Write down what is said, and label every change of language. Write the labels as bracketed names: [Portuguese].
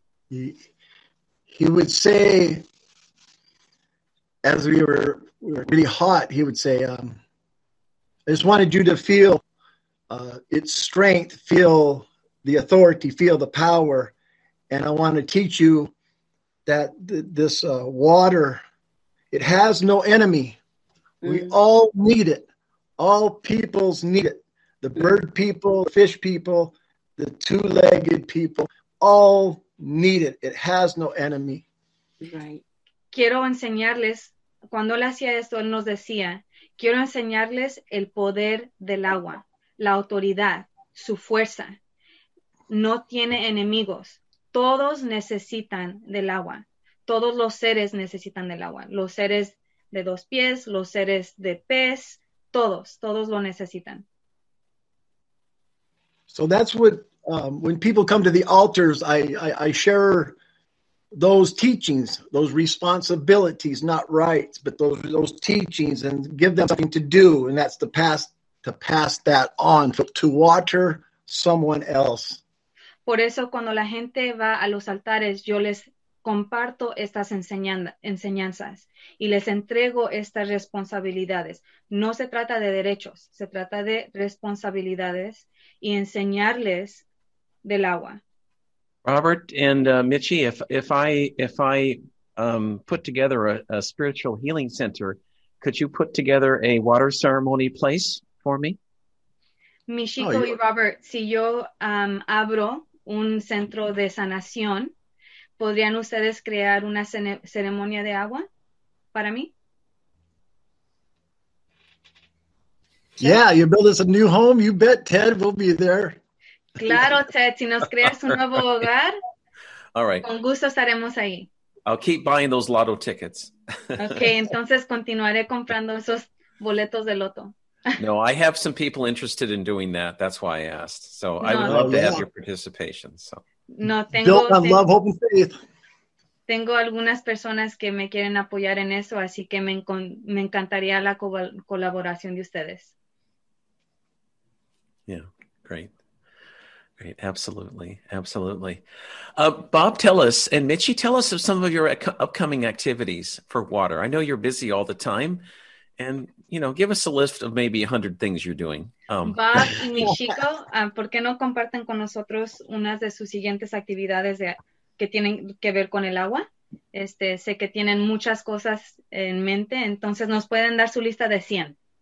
[English] He would say, as we were really hot, he would say, I just wanted you to feel its strength, feel the authority, feel the power. And I want to teach you that this water, it has no enemy. Mm-hmm. We all need it. All peoples need it. The bird people, the fish people, the two-legged people, all need it. It has no enemy. Right. [Spanish] Quiero enseñarles, cuando él hacía esto, él nos decía, quiero enseñarles el poder del agua, la autoridad, su fuerza. No tiene enemigos. Todos necesitan del agua. Todos los seres necesitan del agua. Los seres de dos pies, los seres de pez, todos lo necesitan. [English] So that's what, when people come to the altars, I share those teachings, those responsibilities, not rights, but those teachings, and give them something to do. And that's to pass that on, to water someone else. [Spanish] Por eso cuando la gente va a los altares, yo les comparto estas enseñanzas y les entrego estas responsabilidades. No se trata de derechos, se trata de responsabilidades y enseñarles del agua. [English] Robert and Mitchie, if I put together a spiritual healing center, could you put together a water ceremony place for me? [Spanish] Michiko y Robert, si yo abro un centro de sanación, ¿podrían ustedes crear una ceremonia de agua para mí? [English] Yeah, you build us a new home, you bet, Ted, we'll be there. [Spanish] Claro, Ted, si nos creas un nuevo hogar, [English] all right, [Spanish] con gusto estaremos ahí. [English] I'll keep buying those lotto tickets. [Spanish] Okay, entonces continuaré comprando esos boletos de loto. [English] No, I have some people interested in doing that. That's why I asked. So no, I would love to have your participation. So. [Spanish] No, tengo, [English] built on love, hope, and faith. [Spanish] Tengo algunas personas que me quieren apoyar en eso, así que me encantaría la colaboración de ustedes. [English] Yeah, great. Great, absolutely, absolutely. Bob, tell us, and Mitchie, tell us of some of your upcoming activities for water. I know you're busy all the time. And, you know, give us a list of maybe 100 things you're doing. [Spanish] Bob y Michiko, ¿por qué no comparten con nosotros unas de sus siguientes actividades que tienen que ver con el agua? Sé que tienen muchas cosas en mente, entonces nos pueden dar su lista de 100.